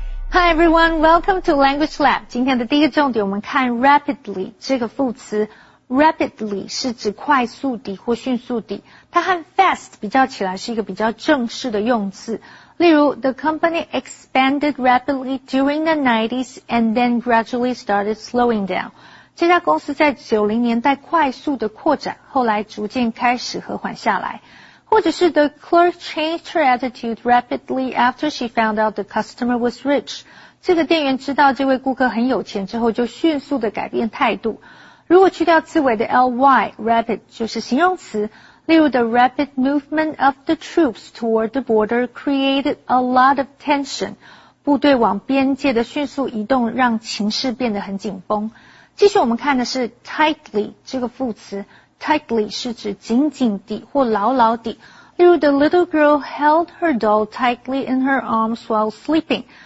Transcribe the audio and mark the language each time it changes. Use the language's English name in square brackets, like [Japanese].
[English] Hi everyone, welcome to Language Lab. [Chinese] 今天的第一个重点我们看 rapidly 这个副词。 Rapidly 是指快速地或迅速地，它和 fast 比较起来是一个比较正式的用词。例如 [English] ,the company expanded rapidly during the 90s and then gradually started slowing down. [Chinese] 这家公司在90年代快速地扩展，后来逐渐开始和缓下来。或者是 [English] ,the clerk changed her attitude rapidly after she found out the customer was rich. [Chinese] 这个店员知道这位顾客很有钱之后就迅速地改变态度。如果去掉字尾的 ly, rapid 就是形容词。例如 [English] ,the rapid movement of the troops toward the border created a lot of tension. [Chinese] 部队往边界的迅速移动让情势变得很紧绷。继续我们看的是 tightly, 这个副词。tightly 是指紧紧地或牢牢地。例如 [English] ,the little girl held her doll tightly in her arms while sleeping.